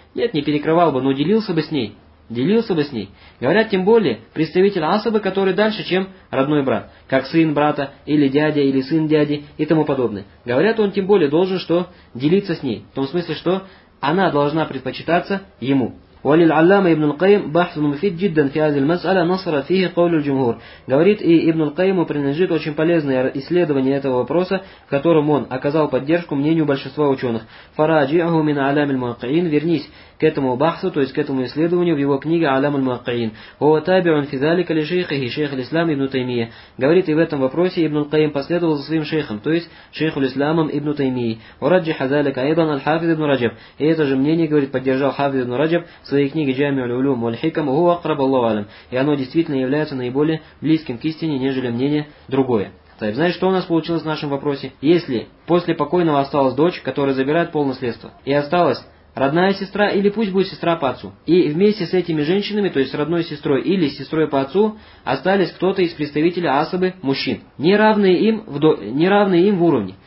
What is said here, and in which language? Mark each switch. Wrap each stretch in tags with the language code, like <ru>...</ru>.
<ru>Нет, не перекрывал бы, но делился бы с ней. Делился бы с ней. Говорят, тем более, представитель асабы, который дальше, чем родной брат. Как сын брата, или дядя, или сын дяди, и тому подобное. Говорят, он тем более должен, что делиться с ней. В том смысле, что она должна предпочитаться ему.</ru> <ar>وللعلامة ابن القيم بحث مفيد جدا في هذه المسألة نصر فيه قول الجمهور.</ar> <ru>Говорит, и ابن القيم принадлежит очень полезное исследование этого вопроса, которым он оказал поддержку мнению большинства ученых.</ru> <ar>فراجعه من علام المواقعين,</ar> <ru>вернись к этому бахсу, то есть к этому исследованию в его книге علام المواقعين.</ru> <ar>هو تابع في ذلك لشيخه, شيخ الإسلام ابن تيمية.</ar> <ru>Говорит, и в этом вопросе ابن القيم последовал за своим шейхом, то есть شيخ الإسلام ابن تيمية.</ru> <ar>ورجح ذلك أيضا الحافظ ابن رجب.</ar> <ru>И это же мнение, говорит, поддержал حافظ ابن رجب в своей книге «Джамиу аль-Улум валь-Хикам»,</ru> <ar>«Уху акраб Аллаху алям».</ar> <ru>И оно действительно является наиболее близким к истине, нежели мнение другое. Так, знаешь, что у нас получилось в нашем вопросе? Если после покойного осталась дочь, которая забирает полное наследство, и осталась родная сестра, или пусть будет сестра по отцу, и вместе с этими женщинами, то есть родной сестрой или сестрой по отцу, остались кто-то из представителей асабы мужчин, неравные им в уровне.</ru>